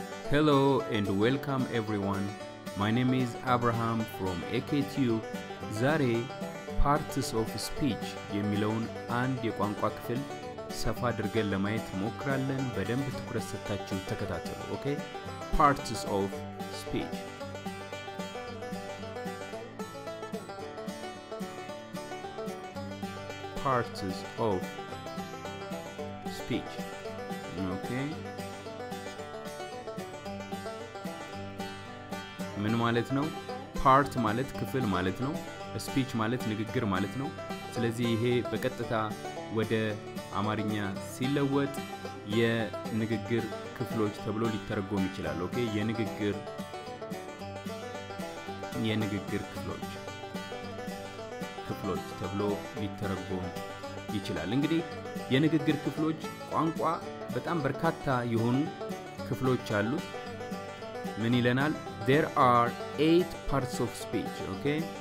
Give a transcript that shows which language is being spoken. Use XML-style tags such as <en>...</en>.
<en>Hello and welcome everyone. My name is Abraham from AKTU.</en> <am>Zare parts of speech የሚለውn and የቋንቋ ክፍል ሰፋ አድርገን ለማየት ሞክራለን። በደንብ ትኩረት ሰጣችሁ ተከታተሉ። Okay?</am> <en>Parts of speech. Parts of speech. Okay?</en> <am>ምን ማለት ነው? part ማለት ክፍል ማለት ነው። speech ማለት ንግግር ማለት ነው። ስለዚህ ይሄ በቀጥታ ወደ አማርኛ ሲለወጥ የንግግር ክፍሎች ተብሎ ሊተረጎም ይችላል። ኦኬ? የንግግር ክፍሎች ተብሎ ሊተረጎም ይችላል። እንግዲህ የንግግር ክፍሎች ቋንቋ በጣም በርካታ የሆኑ ክፍሎች አሉት። ምን ይለናል?</am> <en>There are 8 parts of speech, okay?</en>